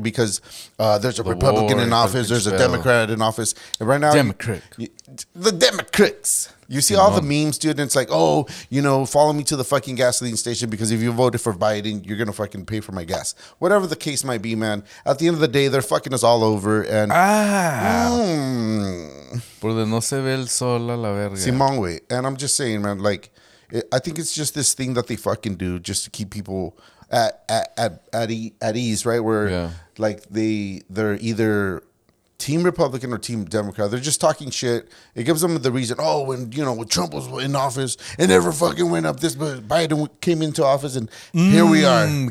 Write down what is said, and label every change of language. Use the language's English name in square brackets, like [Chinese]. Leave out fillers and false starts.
[English] Because there's a Republican in office, there's a Democrat in office. And right now, the Democrats. You see all the memes, dude, and it's like, oh, you know, follow me to the fucking gasoline station because if you voted for Biden, you're going to fucking pay for my gas. Whatever the case might be, man, at the end of the day, they're fucking us all over. And [Spanish] Por donde no se ve el sol a la verga. Simón, güey. [English] And I'm just saying, man, like, I think it's just this thing that they fucking do just to keep people at ease, right? Where, like, they're either Team Republican or Team Democrat. They're just talking shit. It gives them the reason. Oh, when, you know, when Trump was in office and never fucking went up this, but Biden came into office and here we are.